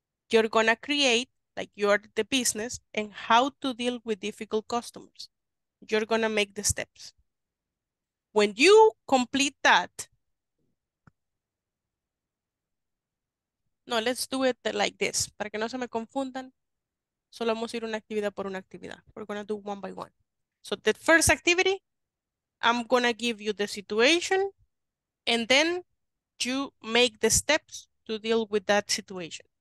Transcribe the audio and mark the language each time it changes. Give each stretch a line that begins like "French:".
English: You're gonna create, like you're the business, and how to deal with difficult customers. You're gonna make the steps. When you complete that, no, let's do it like this.
Spanish: Para que no se me confundan, solo vamos a ir una actividad por una actividad.
English: We're gonna do one by one. So the first activity, I'm gonna give you the situation and then you make the steps to deal with that situation.